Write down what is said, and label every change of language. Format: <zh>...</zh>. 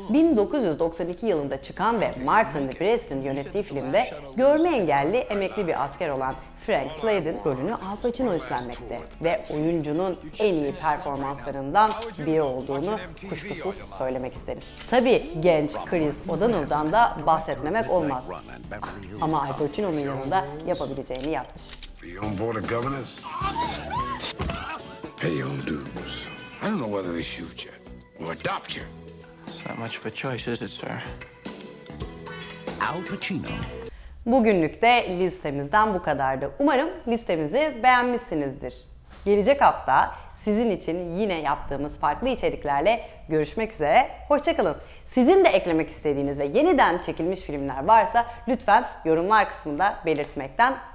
<tr>1992 yılında çıkan ve Martin Brest'in yönettiği filmde görme engelli emekli bir asker olan Frank Slade'in rolünü Al Pacino üstlenmekte ve oyuncunun en iyi performanslarından biri olduğunu kuşkusuz söylemek isterim. Tabii genç Chris O'Donnell'dan da bahsetmemek olmaz. Ama Al Pacino'nun yanında yapabileceğini yapmış.</tr> <en>Pay your dues. I don't know whether they shoot you or adopt you. It's not much of a choice, is it, sir?</en> <tr>Al Pacino. Bugünlük de listemizden bu kadardı. Umarım listemizi beğenmişsinizdir. Gelecek hafta sizin için yine yaptığımız farklı içeriklerle görüşmek üzere. Hoşça kalın. Sizin de eklemek istediğiniz ve yeniden çekilmiş filmler varsa lütfen yorumlar kısmında belirtmekten</tr>